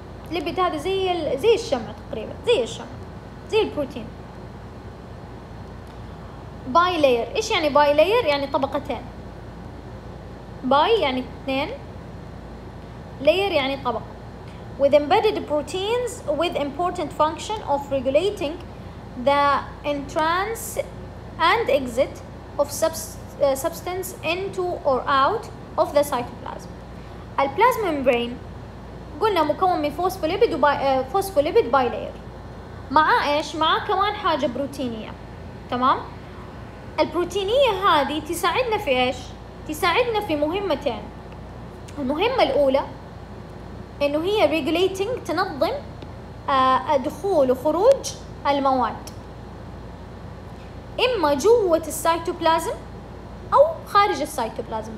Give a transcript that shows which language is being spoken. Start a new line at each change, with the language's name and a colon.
Arabic: ليبيد هذا زي الشمع تقريبا، زي الشمع، زي البروتين. باي لاير، ايش يعني باي لاير؟ يعني طبقتين. باي يعني اثنين، لاير يعني طبق.
English: With embedded proteins with important function of regulating the entrance and exit of substance into or out of the cytoplasm.
Arabic: البلازما ممبرين قلنا مكون من فوسفوليبيد فوسفوليبيد باي لاير. معاه ايش؟ معاه كمان حاجة بروتينية، تمام؟ البروتينية هذه تساعدنا في إيش؟ تساعدنا في مهمتين. المهمة الأولى إنه هي regulating، تنظم دخول وخروج المواد إما جوة السيتوبلازم أو خارج السيتوبلازم.